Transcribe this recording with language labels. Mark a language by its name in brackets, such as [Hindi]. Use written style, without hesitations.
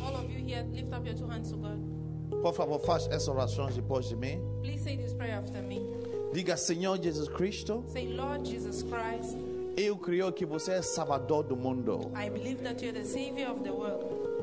[English] All of you here, lift up your two hands to God. [Portuguese] Por favor, faça essa oração depois de mim. [English] Please say this prayer after me. [Portuguese] Diga, Senhor Jesus Cristo. [English] Say, Lord Jesus Christ. [Portuguese] Eu creio que você é Salvador do mundo. [English] I believe that you are the Savior of the world.